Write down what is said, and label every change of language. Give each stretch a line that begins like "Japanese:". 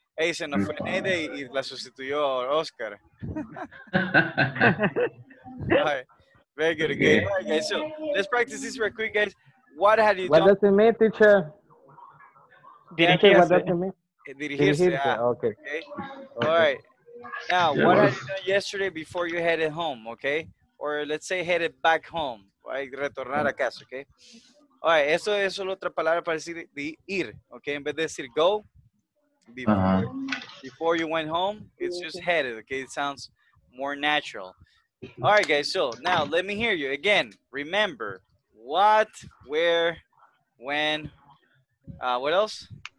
Spanish: Hey, se nos fue Nede y la sustituyó Oscar.
English: All right. Very good. Okay. All right, guys. So let's practice this real quick, guys. What had you done? What does it mean, teacher?
Spanish: Dirigirse.
English: What does it mean?
Spanish: Dirigirse.
English: Okay. All right. Now, what had you done yesterday before you headed home, okay? Or let's say headed back home, right?
Spanish: Retornar a casa,
English: okay? All right.
Spanish: Eso es solo otra palabra para decir de ir, okay? En vez de decir
English: go, before you went home, it's just headed, okay? It sounds more natural. All right, guys, so now let me hear you again. Remember, what, where, when, what else?